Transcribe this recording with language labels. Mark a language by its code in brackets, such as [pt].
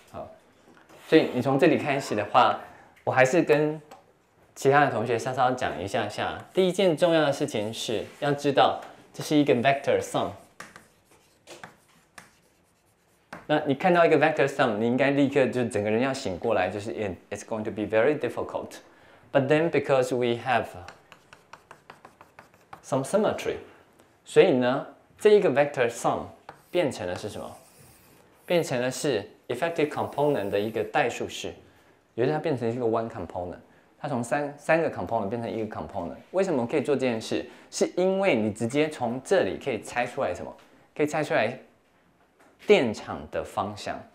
[zh] 好，所以你从这里开始的话，我还是跟其他的同学稍稍讲一下下。第一件重要的事情是要知道这是一个 vector sum。那你看到一个 vector sum， 你应该立刻就整个人要醒过来，就是 [en] it's going to be very difficult。 But then because we have some symmetry， [zh] 所以呢，这一个 vector sum 变成了是什么？变成了是 effective component 的一个代数式，也就是它变成一个 one component， 它从 三个 component 变成一个 component。为什么可以做这件事？是因为你直接从这里可以猜出来什么？可以猜出来电场的方向。